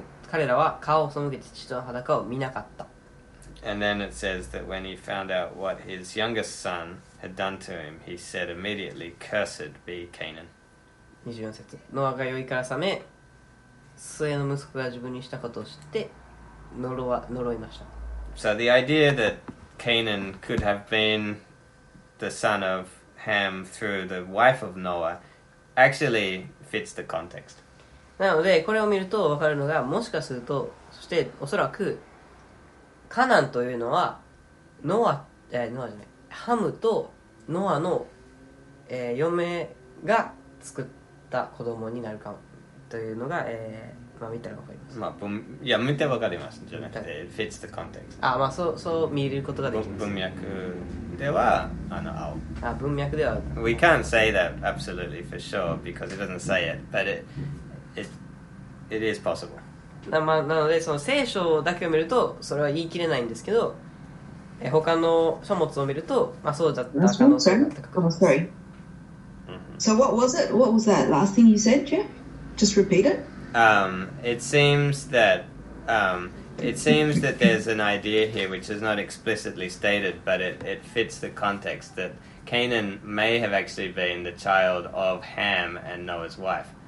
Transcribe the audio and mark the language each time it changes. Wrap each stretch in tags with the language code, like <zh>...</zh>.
<ja>彼らは顔を背けて父の裸を見なかった。</ja> <en>And then it says that when he found out what his youngest son had done to him, he said immediately, "Cursed be Canaan."</en> <ja>24節。ノアが酔いから覚め、末の息子が自分にしたことを知って呪いました。</ja> <en>So the idea that Canaan could have been the son of Ham through the wife of Noah actually fits the context.</en> <ja>なのでこれを見ると分かるのが、もしかするとそしておそらくカナンというのはノア、ノアじゃない、ハムとノアの、嫁が作った子供になるかもというのが、まあ見たら分かります。まあ、いや見て分かりますじゃなくて</ja> <en>fits the context。</en> <ja>あ、まあそう見ることができます。文脈ではあの青、あ、文脈では</ja> <en>We can't say that absolutely for sure because it doesn't say it, but it is possible。</en> <ja>なのでその聖書だけを見るとそれは言い切れないんですけど、他の書物を見ると、まあ、そうだった可能性が高くなります。</ja> <en>So what was it? What was that last thing you said, Jeff? Just repeat it? It seems that there's an idea here which is not explicitly stated, but it fits the context that Canaan may have actually been the child of Ham and Noah's wife.</en>